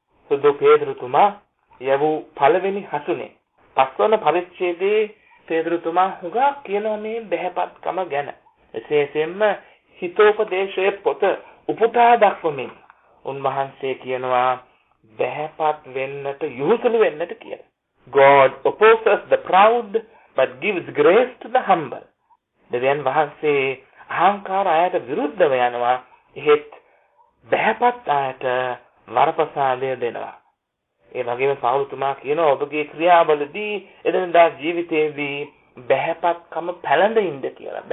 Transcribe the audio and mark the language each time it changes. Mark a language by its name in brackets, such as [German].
[Sinhala] සුදු පේදුරුතුමා යවු පළවෙනි හසුනේ පස්වන පරිච්ඡේදයේ පේදුරුතුමා හුඟා කියනවා මේ බැහැපත්කම ගැන. විශේෂයෙන්ම හිතෝපදේශයේ පොත උපුටා දක්වමින් උන්වහන්සේ කියනවා බැහැපත් වෙන්නට යොහුසුළු වෙන්නට කියලා. [English] God opposes the proud but gives grace to the humble. [Sinhala] දෙවියන් වහන්සේ අහංකාර අයට විරුද්ධව යනවා. එහෙත් බැහැපත් අයට වරප්‍රසාදය දෙනවා. ඒ වගේම සාරුතුමා කියනවා ඔබගේ ක්‍රියාවලදී එදිනදා ජීවිතයේදී බැහැපත්කම පැලඳ ඉන්න කියලා.